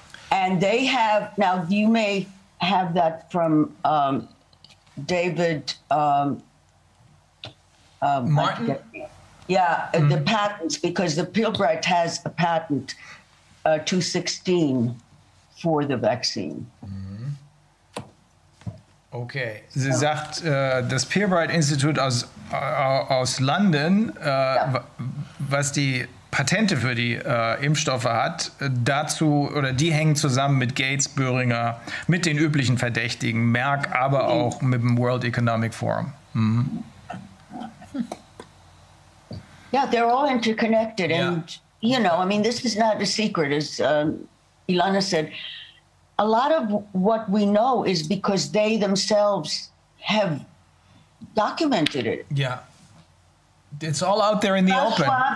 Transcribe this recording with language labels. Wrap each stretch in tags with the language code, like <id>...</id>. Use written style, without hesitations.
<en>And they have, now you may have that from David, Martin? Yeah, the patents, because the Peelbright has a patent, 216, for the vaccine. Mm-hmm.</en> <de>Okay, sie sagt, das Peelbright Institut aus London, was die Patente für die Impfstoffe hat, dazu, oder die hängen zusammen mit Gates, Boehringer, mit den üblichen Verdächtigen, Merck, aber auch mit dem World Economic Forum. Mhm.</de> <en>Yeah, they're all interconnected, and, you know, I mean, this is not a secret, as Ilana said. A lot of what we know is because they themselves have documented it. Yeah. It's all out there in the open.</en>